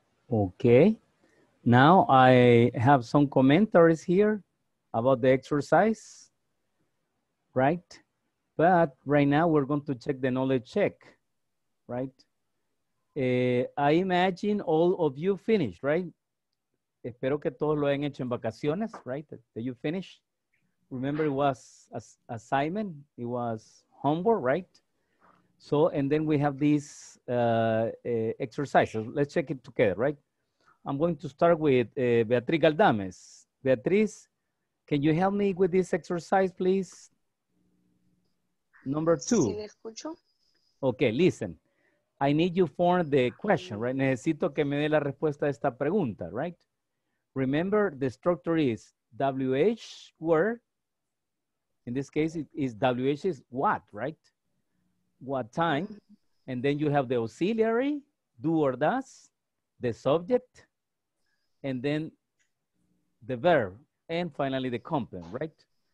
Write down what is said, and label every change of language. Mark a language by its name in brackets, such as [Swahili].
[English] Okay. Now I have some commentaries here about the exercise, right? But right now we're going to check the knowledge check, right? I imagine all of you finished, right? [Spanish] Espero que todos lo hayan hecho en vacaciones, [English] right? Did you finish? Remember it was assignment, it was homework, right? So, and then we have these exercises. Let's check it together, right? I'm going to start with Beatriz Galdames. Beatriz, can you help me with this exercise, please? Number two. Okay, listen. I need you for the question, right? [Spanish] Necesito que me dé la respuesta a esta pregunta, [English] right? Remember, the structure is WH word. In this case, it is WH is what, right? What time? And then you have the auxiliary, do or does, the subject, and then the verb, and finally the complement, right?